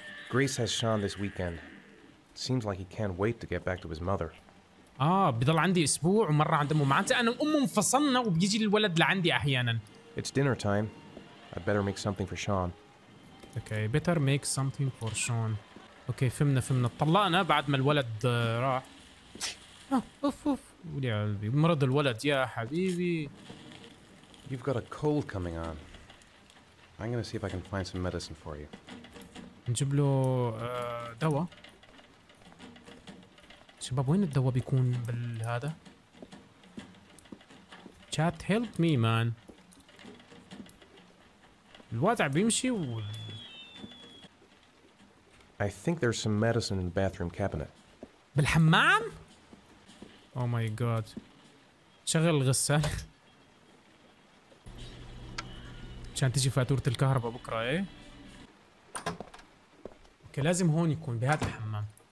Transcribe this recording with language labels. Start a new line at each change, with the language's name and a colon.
English: Grace has Sean this weekend. Seems like he can't wait to get back to his mother.
Arabic: بضل عندي اسبوع ومره عند امه. معناته انا وامه انفصلنا وبيجي الولد لعندي احيانا.
English: It's dinner time. I better make something for Sean. Okay, better make something for Sean.
Arabic: Okay, فهمنا فهمنا. طلقنا بعد ما الولد راح. اوف اوف. ولي قلبي مرض الولد يا حبيبي.
English: You've got a cold coming on. I'm gonna see if I can find some medicine for you.
Arabic: نجيب له دواء. شباب وين الدواء بيكون بالهذا؟
English: Chat help me man.
Arabic: الوضع بيمشي و
English: I think there's some medicine in the bathroom cabinet.
Arabic: بالحمام؟
English: Oh my god.
Arabic: شغل الغسالة. عشان تجي فاتورة الكهرباء بكرة ايه؟ اوكي لازم هون يكون بهذا الحمام.